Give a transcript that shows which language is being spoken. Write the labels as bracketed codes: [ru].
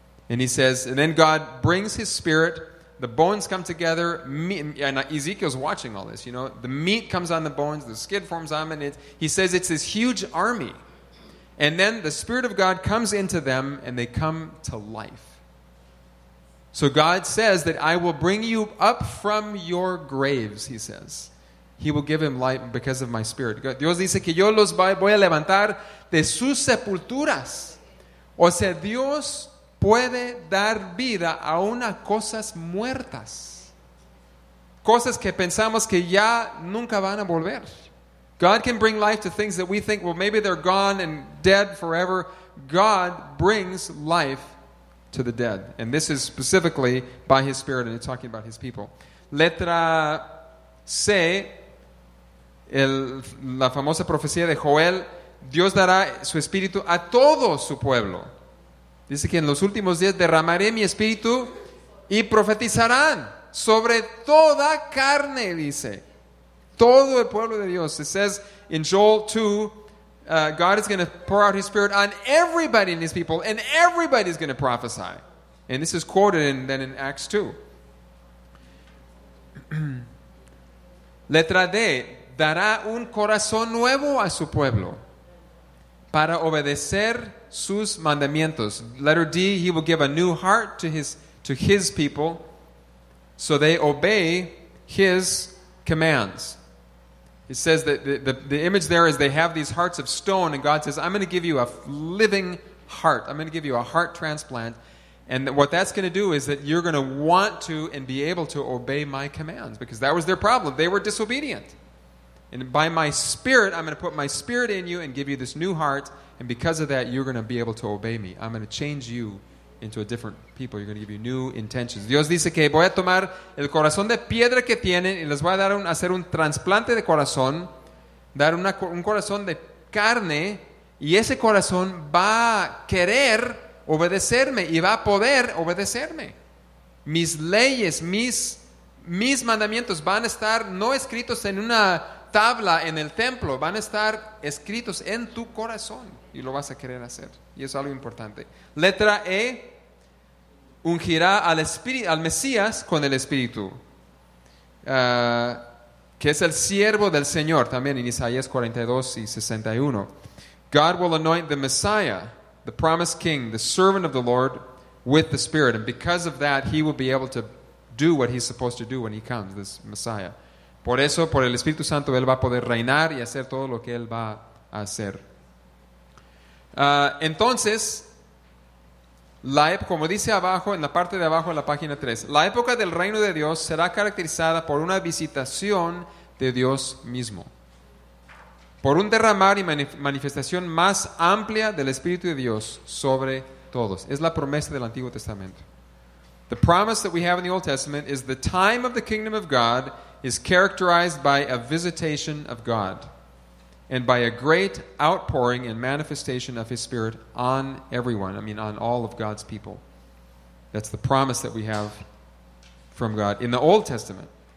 [en] And he says, and then God brings his spirit, the bones come together, and Ezekiel's watching all this, you know, the meat comes on the bones, the skin forms on them, and he says it's this huge army. And then the Spirit of God comes into them, and they come to life. So God says that I will bring you up from your graves, he says. He will give him light because of my spirit. [es] Dios dice que yo los voy a levantar de sus sepulturas. O sea, Dios puede dar vida a unas cosas muertas. Cosas que pensamos que ya nunca van a volver. [en] God can bring life to things that we think, well, maybe they're gone and dead forever. God brings life to the dead. And this is specifically by his spirit, and it's talking about his people. [es] Letra C. La famosa profecía de Joel, Dios dará su espíritu a todo su pueblo. Dice que en los últimos días derramaré mi espíritu y profetizarán sobre toda carne, dice. Todo el pueblo de Dios. [en] It says in Joel 2, God is going to pour out his spirit on everybody in his people, and everybody is going to prophesy. And this is quoted then in Acts 2. [es] Letra D. Dará un corazón nuevo a su pueblo para obedecer sus mandamientos. [en] Letter D, he will give a new heart to his people so they obey his commands. It says that the image there is they have these hearts of stone, and God says, I'm going to give you a living heart. I'm going to give you a heart transplant. And what that's going to do is that you're going to want to and be able to obey my commands, because that was their problem. They were disobedient. And by my spirit, I'm going to put my spirit in you and give you this new heart. And because of that, you're going to be able to obey me. I'm going to change you into a different people. You're going to give you new intentions. [es] Dios dice que voy a tomar el corazón de piedra que tienen y les voy a dar un, hacer un trasplante de corazón, dar una, un corazón de carne, y ese corazón va a querer obedecerme y va a poder obedecerme. Mis leyes, mis mandamientos van a estar no escritos en una tabla en el templo, van a estar escritos en tu corazón y lo vas a querer hacer. Y eso es algo importante. Letra E, ungirá al Espíritu, al Mesías con el Espíritu, que es el siervo del Señor, también en Isaías 42 y 61. [en] God will anoint the Messiah, the promised King, the servant of the Lord, with the Spirit. And because of that, he will be able to do what he's supposed to do when he comes, this Messiah. [es] Por eso, por el Espíritu Santo, él va a poder reinar y hacer todo lo que él va a hacer. Entonces, como dice abajo, en la parte de abajo, en la página 3, la época del reino de Dios será caracterizada por una visitación de Dios mismo, por un derramar y manifestación más amplia del Espíritu de Dios sobre todos. Es la promesa del Antiguo Testamento. [en] The promise that we have in the Old Testament is the time of the kingdom of God is characterized by a visitation of God and by a great outpouring and manifestation of His Spirit on everyone. I mean, on all of God's people. That's the promise that we have from God in the Old Testament.